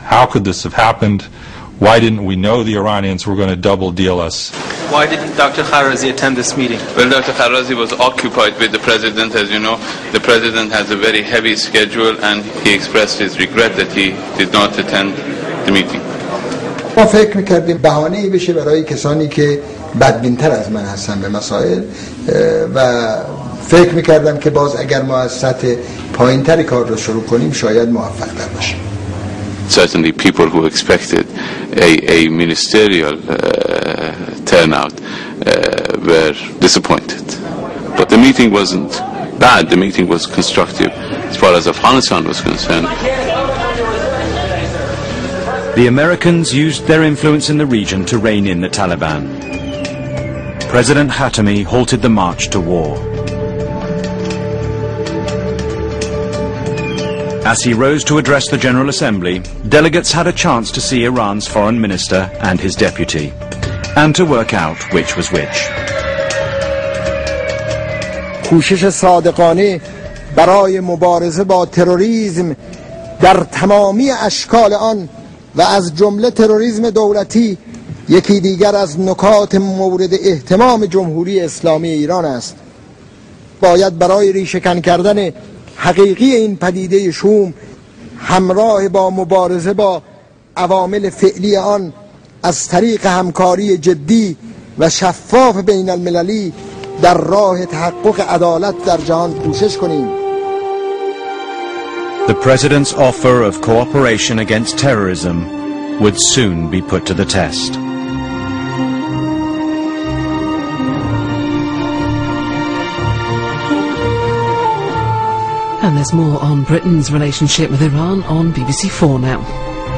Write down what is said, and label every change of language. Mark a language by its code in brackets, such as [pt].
[en] How could this have happened? Why didn't we know the Iranians were going to double deal us? Why didn't Dr. Karazi attend this meeting? Well, Dr. Karazi was occupied with the president, as you know. The president has a very heavy schedule and he expressed his regret that he did not attend the meeting. [fa] ما فکر میکردیم بهانه ای بشه برای کسانی که بدبینتر از من هستن به مسائل و فکر میکردم که باز اگر ما از سطح پایین تر کار رو شروع کنیم شاید موفق تر باشیم. [en] Certainly people who expected a ministerial turnout were disappointed. But the meeting wasn't bad, the meeting was constructive as far as Afghanistan was concerned. The Americans used their influence in the region to rein in the Taliban. President Khatami halted the march to war. As he rose to address the General Assembly, delegates had a chance to see Iran's foreign minister and his deputy, and to work out which was which. [fa] کوشش صادقانه برای مبارزه با تروریسم در تمامی اشکال آن و از جمله تروریسم دولتی یکی دیگر از نکات مورد اهتمام جمهوری اسلامی ایران است. باید برای ریشه‌کن کردن حقیقی این پدیده شوم همراه با مبارزه با عوامل فعلی آن از طریق همکاری جدی و شفاف بین المللی در راه تحقق عدالت در جهان کوشش کنیم. [en] The president's offer of cooperation against terrorism would soon be put to the test. And there's more on Britain's relationship with Iran on BBC4 now.